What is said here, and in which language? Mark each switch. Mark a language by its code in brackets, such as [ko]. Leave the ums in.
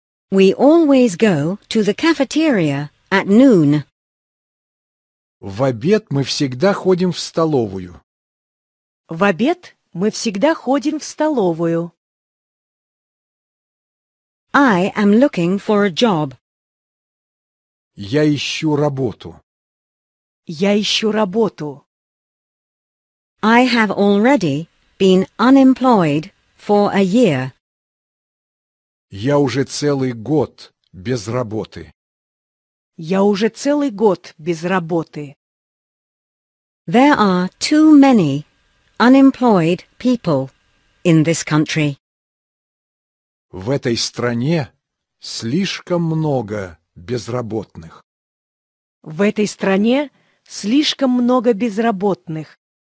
[en] We always go to the cafeteria at noon. [ru] В обед мы всегда ходим в столовую. В обед Мы всегда ходим в столовую. [en] I am looking for a job. [ru] Я ищу работу. Я ищу работу. [en] I have already been unemployed for a year. [ru] Я уже целый год без работы. Я уже целый год без работы. [en] There are too many unemployed people in this country. [ru] В этой стране слишком много безработных. В этой стране слишком много безработных.